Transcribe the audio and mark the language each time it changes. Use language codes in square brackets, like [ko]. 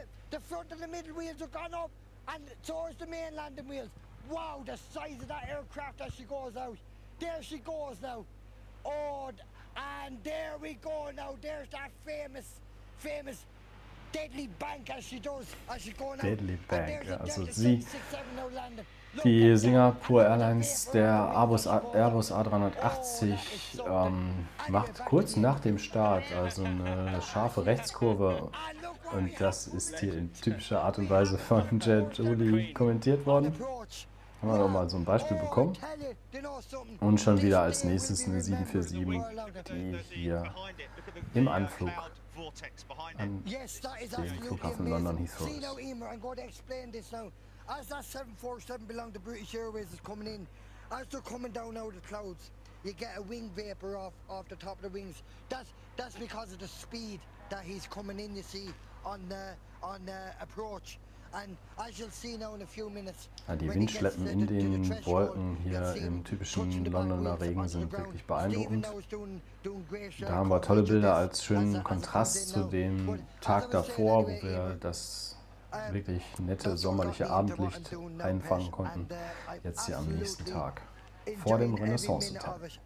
[en] The front and the middle wheels have gone up and towards the main landing wheels. Wow, the size of that aircraft as she goes out. There she goes now. Oh, and there we go now. There's that famous deadly bank as she does. As she going out. [de] Deadly bank, also sie. Die Singapore Airlines, der Airbus A380, macht kurz nach dem Start also eine scharfe Rechtskurve. Und das ist hier in typischer Art und Weise von JetBlue kommentiert worden. Haben wir nochmal so ein Beispiel bekommen. Und schon wieder als nächstes eine 747, die hier im Anflug an den Flughafen London Heathrow ist. [en] As that 747 belonged to British Airways is coming in, as they're coming down out of the clouds, you get a wing vapor off the top of the wings. That's because of the speed that he's coming in, you see, on the approach. And as you'll see now in a few minutes. [de] Ja, die Windschleppen in den Wolken hier im typischen Londoner Regen sind wirklich beeindruckend. Da haben wir tolle Bilder als schönen Kontrast zu dem Tag davor, wo wir das wirklich nette sommerliche Abendlicht einfangen konnten, jetzt hier am nächsten Tag, vor dem Renaissance-Tag.